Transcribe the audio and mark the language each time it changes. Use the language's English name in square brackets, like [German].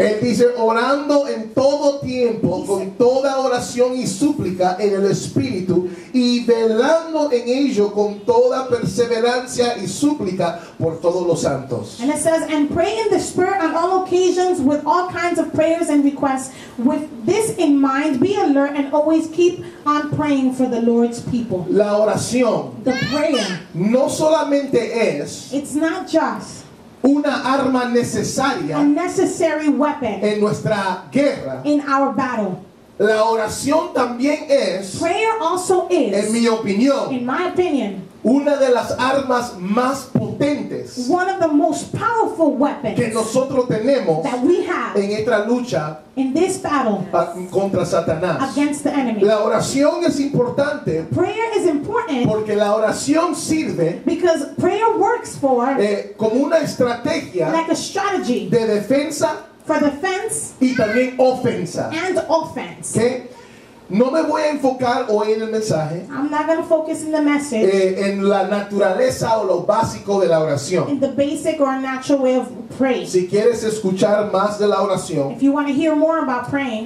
[Spanish] Él dice, orando en todo tiempo, he con [English] said, [Spanish] toda oración y súplica en el Espíritu, y velando en ello con toda perseverancia y súplica por todos los santos. [English] And it says, and pray in the Spirit on all occasions with all kinds of prayers and requests. With this in mind, be alert and always keep on praying for the Lord's people. [Spanish] La oración, [English] the prayer, [Spanish] no solamente es, [English] it's not just, [Spanish] una arma necesaria, [English] a necessary weapon, [Spanish] en nuestra guerra, [English] in our battle. [Spanish] La oración también es, [English] prayer also is, [Spanish] en mi opinión, [English] in my opinion, [Spanish] una de las armas más potentes, [English] one of the most powerful weapons, [Spanish] que nosotros tenemos, [English] that we have, [Spanish] en esta lucha, [English] in this battle, [Spanish] contra Satanás, [English] against the enemy. [Spanish] La oración es importante, [English] prayer is important, [Spanish] porque la oración sirve, [English] because prayer works for, [Spanish] como una estrategia, [English] like a strategy, [Spanish] de defensa, [English] for defense, [Spanish] y también ofensa, [English] and offense. [Spanish] ¿Qué? No me voy a enfocar hoy en el mensaje. [English] I'm not going to focus in the message. [Spanish] En la naturaleza o lo básico de la oración. [English] In the basic or natural way of praying. [Spanish] Si quieres escuchar más de la oración, [English] if you want to hear more about praying,